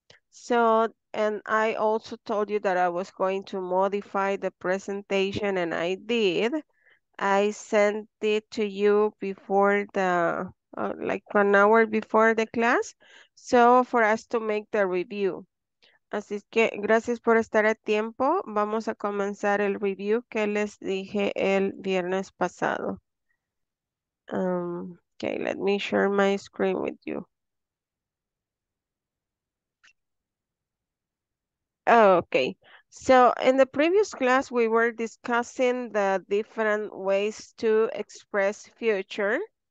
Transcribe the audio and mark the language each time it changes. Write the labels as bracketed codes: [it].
[en] So, and I also told you that I was going to modify the presentation, and I did. I sent it to you before the like 1 hour before the class, so for us to make the review. [es] Así que gracias por estar a tiempo. Vamos a comenzar el review que les dije el viernes pasado. [en] Okay, let me share my screen with you. Okay, so in the previous class, we were discussing the different ways to express future.